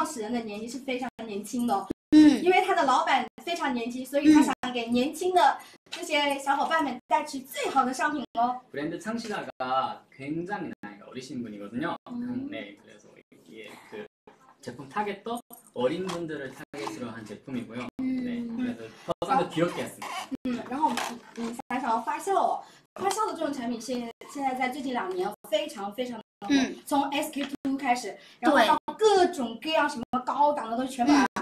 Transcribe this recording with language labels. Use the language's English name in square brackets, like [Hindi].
[Chinese] 五片，一盒五片，一盒是五片。我觉得这个你必须得买，很香吗？很香吗？怎么说？香味，香味，香味怎么了？香味足啊，香味足啊，特别香啊！说喜欢，浓，香味浓不浓？浓浓是什么意思？非常非常香。然后我跟你讲哦，它的创始人的年纪是非常年轻的。因为他的老板非常年轻，所以他想给年轻的那些小伙伴们带去最好的商品哦。 [Korean] 브랜드 창시자가 굉장히 나이가 어리신 분이거든요. 네, 그래서 이게 그 제품 타겟도 어린 분들을 타겟으로 한 제품이고요. 네, 그래서 더더 귀엽게 했습니다. [Chinese] 然后我们想要发酵，发酵的这种产品现在在最近两年非常非常的红，从 SK2 开始，然后到各种各样什么高档的都全部。